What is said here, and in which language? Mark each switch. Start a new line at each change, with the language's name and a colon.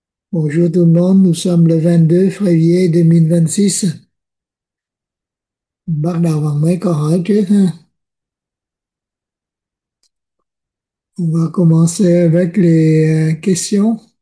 French: Bonjour tout le monde, nous sommes le 22 février 2026.
Vietnamese: Bắt đầu bằng mấy câu hỏi trước ha.
French: On va commencer avec les questions.